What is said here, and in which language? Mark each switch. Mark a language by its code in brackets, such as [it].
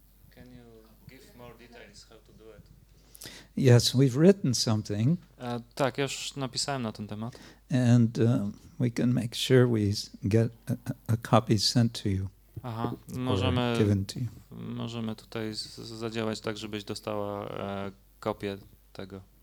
[en] Can you give more details how to do it? Yes, we've written something. [pl] Tak, ja już napisałem na ten temat. [en] And we can make sure we get a copy sent to you. [pl] Aha, możemy, [en] or given to you. [pl] Możemy tutaj zadziałać tak, żebyś dostała kopię tego.